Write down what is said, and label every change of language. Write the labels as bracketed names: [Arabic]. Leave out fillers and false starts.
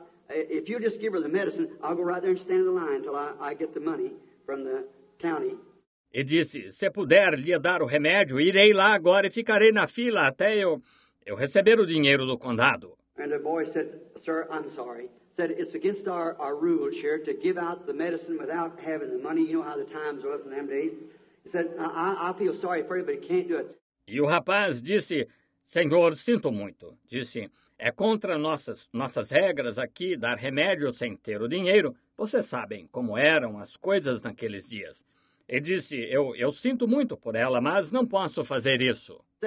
[English] If you just give her the medicine, I'll go right there and stand in the line until I get the money from the county. [Portuguese] E disse, se puder lhe dar o remédio, irei lá agora e ficarei na fila até eu receber o dinheiro do condado. [English] And the boy said, sir, I'm sorry. Said, it's against our rules here to give out the medicine without having the money. You know how the times was in them days. He said, I feel sorry for you, but you can't do it. [Portuguese] E o rapaz disse, senhor, sinto muito. Disse, é contra nossas regras aqui dar remédio sem ter o dinheiro. Vocês sabem como eram as coisas naqueles dias. E disse, eu sinto muito por ela, mas não posso fazer isso.